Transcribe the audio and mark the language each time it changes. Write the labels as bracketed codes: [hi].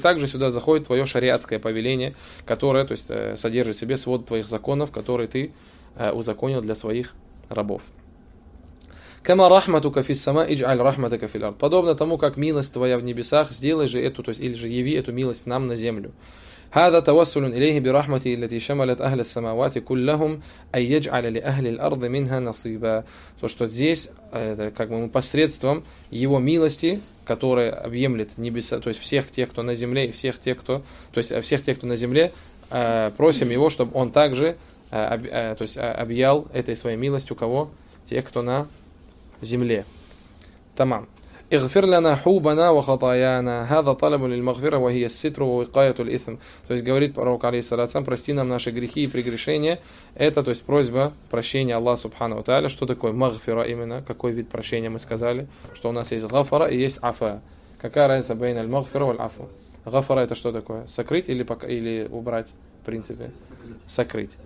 [ru] И также сюда заходит твое шариатское повеление, которое, то есть, содержит в себе свод твоих законов, которые ты узаконил для своих рабов. [ar] كَمَا رَحْمَتُكَ فِي السَّمَاءِ اجْعَلْ رَحْمَتَكَ فِي الْأَرْضِ. [ru] Подобно тому, как милость твоя в небесах, сделай же эту, то есть, или же яви эту милость нам на землю. [ar] هذا توسل إليه برحمتي التي شملت أهل السماوات كلهم أن يجعل لأهل الأرض منها نصيبا. [ru] То, что здесь, как бы посредством его милости, которая объемлет небеса, то есть всех тех, кто на земле, и всех тех, кто, то есть всех тех, кто на земле, просим его, чтобы он также, то есть объял этой своей милостью кого? Тех, кто на земле. Тамам. [ar] اغفر لنا حوبنا وخطايانا هذا طلب للمغفره وهي الستر ووقايه الاثم. [ru] То есть говорит пророк алейхиссалям, прости нам наши грехи и прегрешения, это, то есть, просьба прощения Аллаха субхана ва тааля. Что такое магфира именно, какой вид прощения, мы сказали, что у нас есть гафара и есть афа. Какая разница [ar] бейн аль магфира валь афу? [ru] Гафара — это что такое, сокрыть или пока, или убрать, в принципе сокрыть.